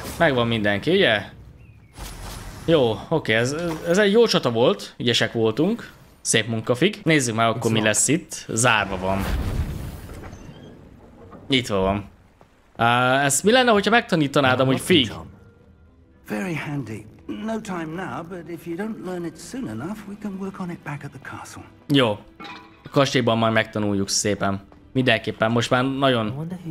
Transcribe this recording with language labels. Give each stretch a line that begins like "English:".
Hungarian: Megvan mindenki, ugye? Jó, oké, ez egy jó csata volt. Ügyesek voltunk. Szép munkafig. Nézzük már akkor, mi lesz itt. Zárva van. Nyitva van. Ez mi lenne, hogyha megtanítanád amúgy, fig?
English: Very handy. No time now, but if you don't learn it soon enough, we can work on it back at the castle.
Hungarian: Jó. A kastélyban majd megtanuljuk szépen. Mindenképpen, most már nagyon...